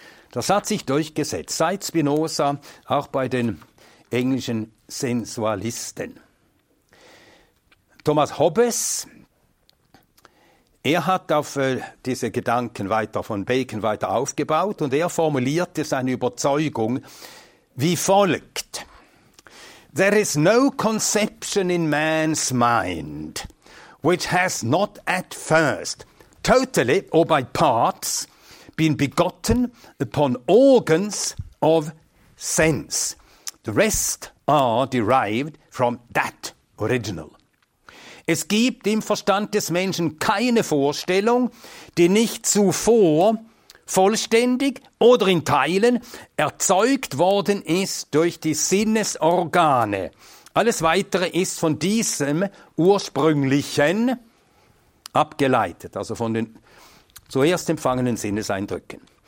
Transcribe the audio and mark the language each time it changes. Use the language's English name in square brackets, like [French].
[German] Das hat sich durchgesetzt, seit Spinoza, auch bei den englischen Sensualisten. Thomas Hobbes, er hat auf diese Gedanken weiter von Bacon weiter aufgebaut und er formulierte seine Überzeugung wie folgt. [English] There is no conception in man's mind, which has not at first, totally or by parts, been begotten upon organs of sense. The rest are derived from that original. [German] Es gibt im Verstand des Menschen keine Vorstellung, die nicht zuvor vollständig oder in Teilen erzeugt worden ist durch die Sinnesorgane. Alles Weitere ist von diesem Ursprünglichen abgeleitet, also von den zuerst empfangenen Sinneseindrücken.